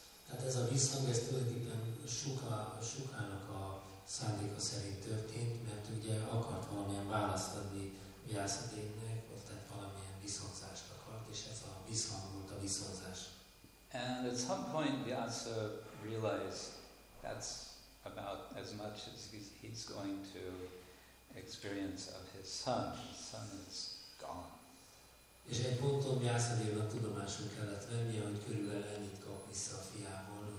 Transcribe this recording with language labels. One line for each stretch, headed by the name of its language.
Hungarian: Tehát ez a visszhang, ez tulajdonképpen Sukának a szándéka szerint történt, mert ugye akart valamilyen választ adni Vyasadevnek, tehát valamilyen visszhangzást akart, és ez a visszhang volt a visszhangzás.
English: And at some point Vyasa realized that's about as much as he's going to experience of his son. His son is gone.
Hungarian: És egy ponton Vyasadevnek a tudomásul kellett vennie, hogy körülbelül ennyit kap vissza a fiából.